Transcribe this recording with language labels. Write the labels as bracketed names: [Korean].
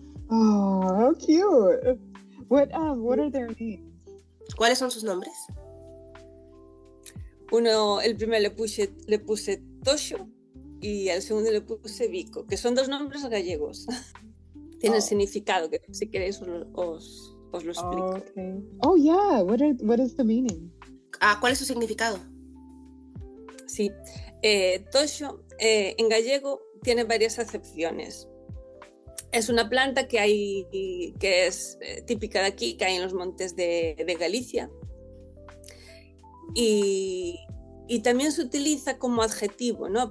[English] Oh, how cute. What are their names? [Spanish] ¿Cuáles son sus nombres? Uno, el primero le puse Tosho, y al segundo le puse Vico, que son dos nombres gallegos. Tienen significado, que si queréis os lo explico. [English] Oh, okay. Oh yeah, what is the meaning? [Spanish] ¿Cuál es su significado? Sí, Tosho en gallego tiene varias acepciones. Es una planta que hay, que es típica de aquí, que hay en los montes de Galicia. Y también se utiliza como adjetivo, ¿no?